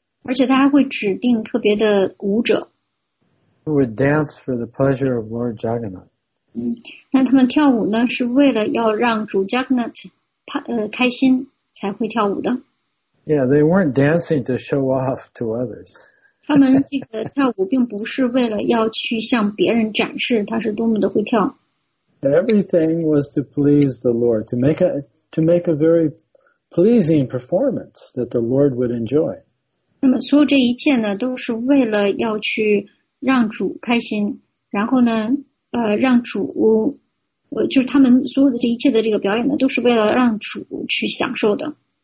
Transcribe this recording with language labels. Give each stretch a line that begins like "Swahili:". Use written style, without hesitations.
Chinese: 而且他还会指定特别的舞者。
English: Who would dance for the pleasure of Lord Jagannath.
Chinese: 那他们跳舞呢是为了要让主 Jagannath 开心才会跳舞的。
English: Yeah, they weren't dancing to show off to others.
Chinese: 他们这个跳舞并不是为了要去向别人展示他是多么的会跳。
English: Everything was to please the Lord, to make a very pleasing performance that the Lord would enjoy.
Chinese: 那么所有这一切呢都是为了要去让主开心然后呢让主就是他们所有的这一切的这个表演呢都是为了让主去享受的。